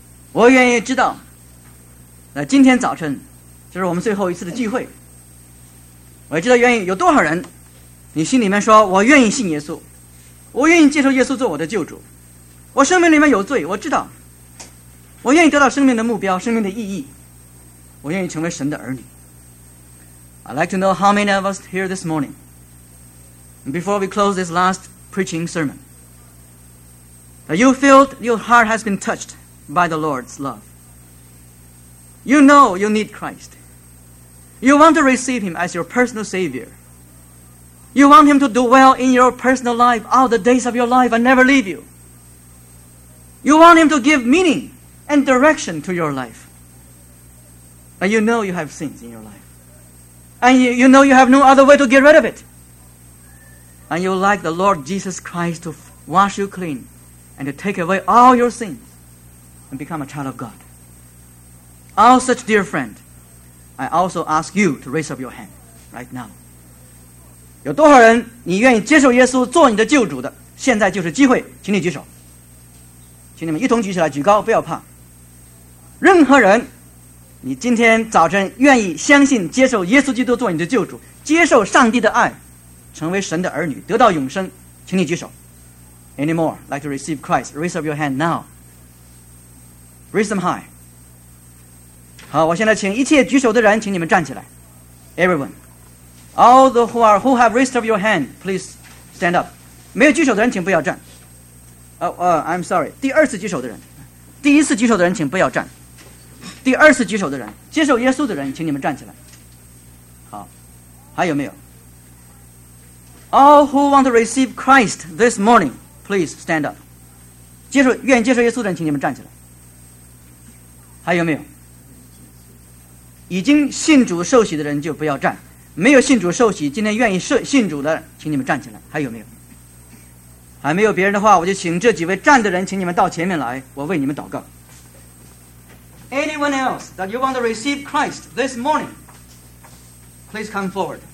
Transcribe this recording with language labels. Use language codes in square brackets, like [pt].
[zh] 我愿意知道，今天早晨就是我们最后一次的聚会。我也知道愿意有多少人，你心里面说我愿意信耶稣，我愿意接受耶稣做我的救主。我生命里面有罪，我知道，我愿意得到生命的目标，生命的意义，我愿意成为神的儿女。 [en] I'd like to know how many of us here this morning, before we close this last preaching sermon, that you feel your heart has been touched by the Lord's love. You know you need Christ. You want to receive him as your personal Savior. You want him to do well in your personal life all the days of your life and never leave you. You want him to give meaning and direction to your life. But you know you have sins in your life. And you know you have no other way to get rid of it. And you like the Lord Jesus Christ to wash you clean and to take away all your sins and become a child of God. All such dear friend, I also ask you to raise up your hand right now. [zh] 有多少人你愿意接受耶稣做你的救主的，现在就是机会，请你举手。请你们一同举起来，举高，不要怕。任何人你今天早晨愿意相信接受耶稣基督做你的救主，接受上帝的爱，成为神的儿女，得到永生，请你举手。 [en] Any more like to receive Christ, raise up your hand now, raise them high. [zh] 好，我现在请一切举手的人请你们站起来。 [en] Everyone, all those who have raised up your hand, please stand up. [zh] 没有举手的人请不要站。 [en] I'm sorry, [zh] 第二次举手的人，第一次举手的人请不要站。第二次举手的人，接受耶稣的人，请你们站起来。好，还有没有？ [en] All who want to receive Christ this morning, please stand up. [zh] 愿接受耶稣的人，请你们站起来。还有没有？已经信主受洗的人就不要站，没有信主受洗，今天愿意信主的，请你们站起来。还有没有？还没有别人的话，我就请这几位站的人，请你们到前面来，我为你们祷告。 [en] Anyone else that you want to receive Christ this morning, please come forward.